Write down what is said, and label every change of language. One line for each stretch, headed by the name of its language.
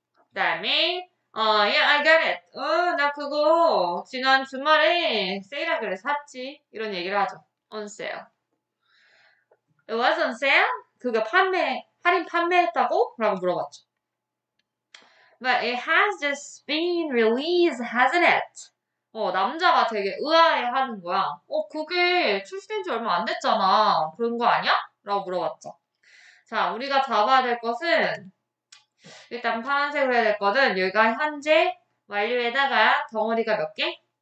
Korean: 그다음에,
English: yeah, I got it.
Korean: 나 그거 지난 주말에 세일하길래 샀지. 이런 얘기를 하죠.
English: On sale. It was on sale?
Korean: 그거 판매, 할인 판매했다고? 라고 물어봤죠.
English: But it has just been released, hasn't it?
Korean: 남자가 되게 의아해 하는 거야. 그게 출시된 지 얼마 안 됐잖아. 그런 거 아니야? 라고 물어봤죠. 자, 우리가 잡아야 될 것은, 일단 파란색으로 해야 될 거는, 여기가 현재 완료에다가 덩어리가 몇 개?